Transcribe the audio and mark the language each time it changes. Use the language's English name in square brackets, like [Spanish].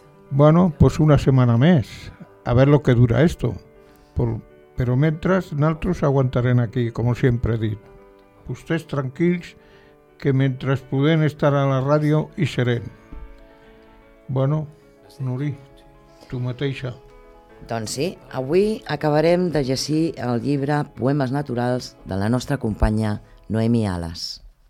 [Catalan] Bueno, pues una setmana més. [Spanish] A ver lo que dura esto. Pero mientras, nosotros aguantaremos aquí, como siempre he dicho. Ustedes tranquilos, que mientras pueden estar a la radio y seren. [Catalan] Bueno, Nuri, tu mateixa. Doncs sí, avui acabarem de llegir el llibre Poemes naturals de la nostra companya Noemí Alas.